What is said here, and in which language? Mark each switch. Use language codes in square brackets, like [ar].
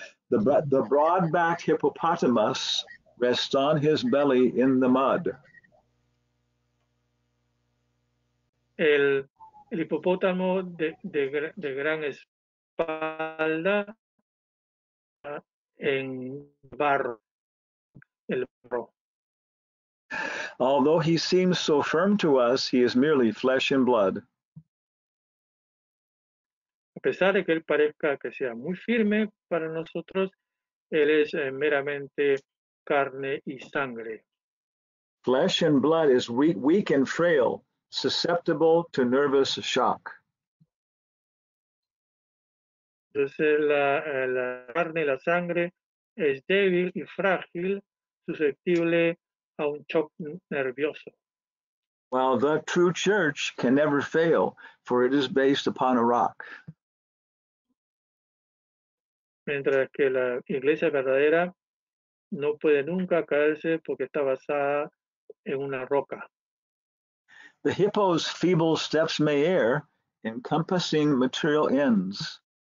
[en] The broad-backed hippopotamus rests on his belly in the mud. [es] El hipopótamo de gran espalda en barro, el barro. [en] Although he seems so firm to us, he is merely flesh and blood. [es] A pesar de que él parezca que sea muy firme para nosotros, él es meramente carne y sangre. [en] Flesh and blood is weak and frail. Susceptible to nervous shock. [es] Entonces la carne y la sangre es débil y frágil, susceptible a un shock nervioso. [en] While the true church can never fail, for it is based upon a rock. [es] Mientras que la iglesia verdadera no puede nunca caerse porque está basada en una roca. [en] The hippo's feeble steps may err, encompassing material ends.